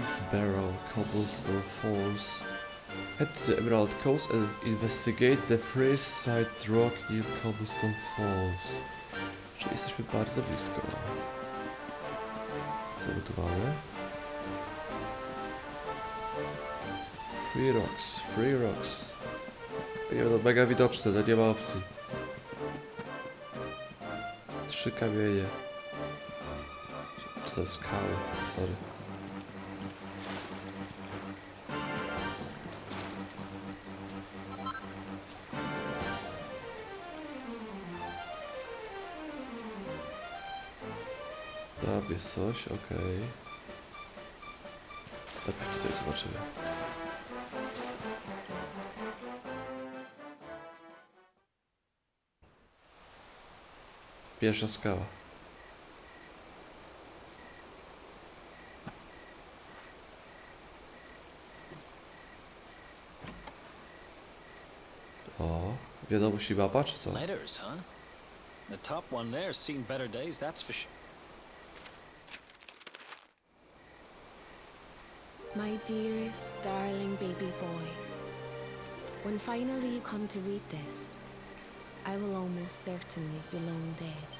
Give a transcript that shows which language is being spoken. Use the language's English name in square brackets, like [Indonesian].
[English] Barrel Cobblestone Falls. Head to the Emerald Coast and investigate the freeze side rock near Cobblestone Falls. [Polish] Czyli jesteśmy bardzo blisko. Co by tu mamy? [English] Free rocks, free rocks. [Polish] Nie wiem, to mega widoczne, to nie ma opcji. Trzy kamienie. Czy to skały? Sorry. Jest coś, okej. Okay. Tak, tutaj zobaczymy. Pierwsza skała. O, wiadomości mapa, czy co? [English] Letters, huh? The top one there has seen better days, that's for sure. My dearest, darling baby boy, when finally you come to read this, I will almost certainly be long dead.